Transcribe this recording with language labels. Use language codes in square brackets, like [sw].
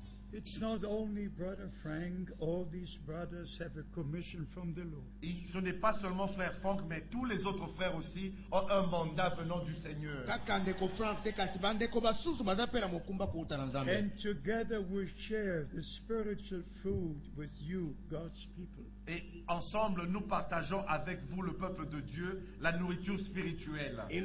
[en] It's not only Brother Frank, all these brothers have a commission from the Lord. [fr] Ce n'est pas seulement frère Frank, mais tous les autres frères aussi ont un mandat venant du Seigneur. [en] And together we share the spiritual food with you, God's people. [fr] Et ensemble nous partageons avec vous le peuple de Dieu la nourriture spirituelle.